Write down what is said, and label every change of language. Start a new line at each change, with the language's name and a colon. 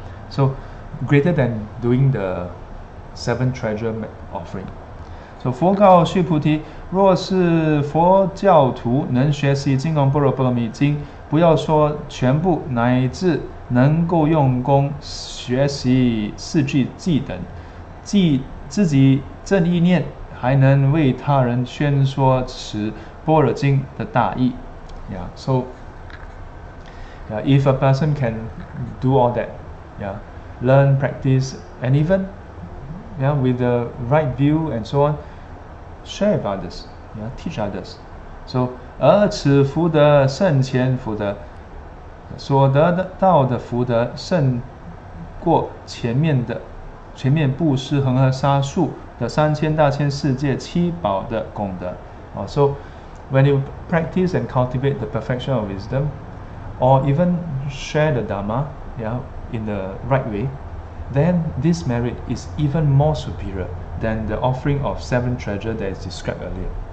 English: So greater than doing the seven treasure offering.
Chinese: So 佛告须菩提，若是佛教徒能学习金刚般若波罗蜜经，不要说全部，乃至能够用功学习四句偈等，即自己 正意念还能为他人宣说持般若经的大义.
English: Yeah, so yeah, if a person can do all that, yeah, learn, practice, and even, yeah, with the right view and so on, share with others, yeah, teach others. So
Chinese: 而此福德甚前福德，所得到的福德胜过前面的前面布施恒河沙数 的三千大千世界七宝的功德,
English: so when you practice and cultivate the perfection of wisdom, or even share the Dharma, yeah, in the right way, then this merit is even more superior than the offering of seven treasure that is described earlier.